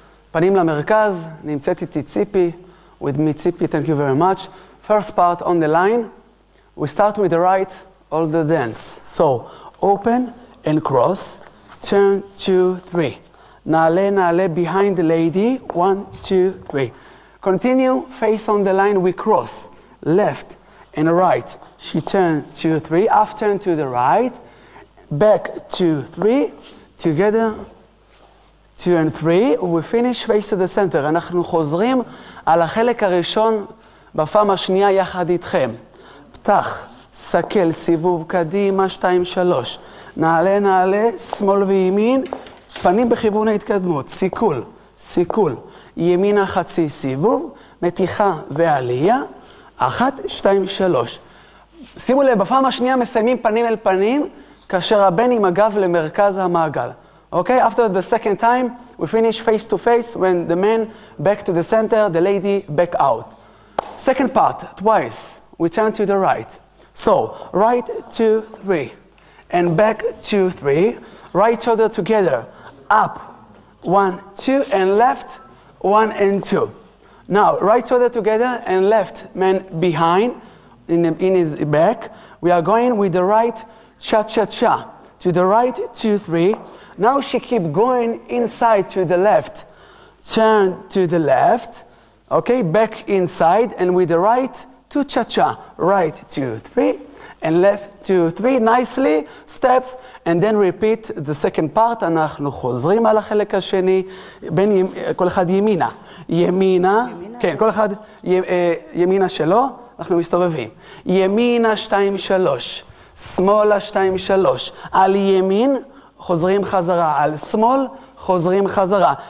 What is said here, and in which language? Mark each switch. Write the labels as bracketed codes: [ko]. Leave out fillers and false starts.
[he] פנים למרכז, נמצאת איתי ציפי. [en] With me, ציפי, thank you very much. First part on the line. We start with the right, all the dance. So, open and cross. Turn, two, three. [he] נעלה, נעלה, [en] behind the lady. One, two, three. Continue, face on the line, we cross. Left and right. She turned, two, three. I've turned to the right. Back, two, three, together, two and three, we finish face to the center. [he] אנחנו חוזרים על החלק הראשון בפעם השנייה יחד איתכם. פתח, סכל, סיבוב קדימה, שתיים, שלוש. נעלה, נעלה, שמאל וימין, פנים בכיוון ההתקדמות, סיכול, סיכול. ימינה חצי סיבוב, מתיחה ועלייה, אחת, שתיים, שלוש. שימו לב, בפעם השנייה מסיימים פנים אל פנים, כאשר הבן עם הגב למרכז המעגל. אוקיי? Okay? [en] After the second time, we finish face to face, when the man back to the center, the lady back out. Second part, twice, we turn to the right. So, right, two, three. And back, two, three. Right shoulder together. Up, one, two, and left, one and two. Now, right shoulder together, and left, man behind, in his back. We are going with the right, cha-cha-cha, to the right, two, three. Now she keep going inside to the left. Turn to the left, okay, back inside, and with the right, two, cha-cha. Right, two, three, and left, two, three, nicely, steps, and then repeat the second part. [he] אנחנו חוזרים על החלק השני, בין, כל אחד ימינה. ימינה, כן, כל אחד ימינה שלו, אנחנו מסתובבים. ימינה, שתיים, שלוש. שמאלה, שתיים, שלוש. על ימין, חוזרים חזרה. על שמאל, חוזרים חזרה.